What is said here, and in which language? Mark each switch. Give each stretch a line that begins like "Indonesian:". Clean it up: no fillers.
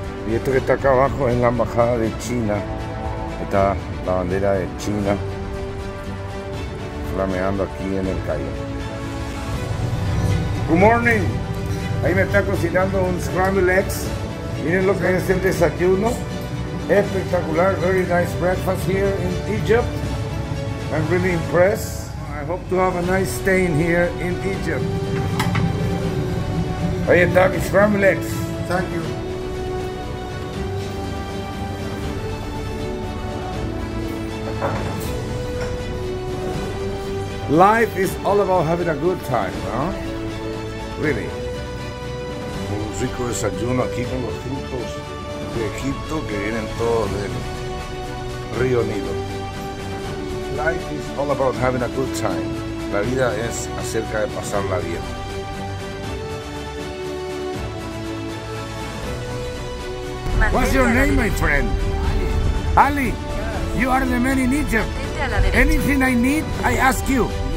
Spanish: Y esto que está acá abajo es la embajada de China. Está la bandera de China flameando aquí en el Cairo.
English: Good morning.
Spanish: Ahí me está cocinando un scrambled eggs. Miren lo que es el desayuno. Espectacular.
English: Very nice breakfast here in Egypt. I'm really impressed. I hope to have a nice stay here in Egypt.
Spanish: Ahí está mi scrambled eggs.
English: Thank you. Life is all about having a good time, ¿no? Really.
Spanish: Un rico desayuno aquí con los frutos de Egipto que vienen todos del río Nilo.
English: Life is all about having a good time.
Spanish: La vida es acerca de pasarla bien.
English: What's your name, my friend? Ali. Ali, yes. You are the man in Egypt. Anything I need, I ask you.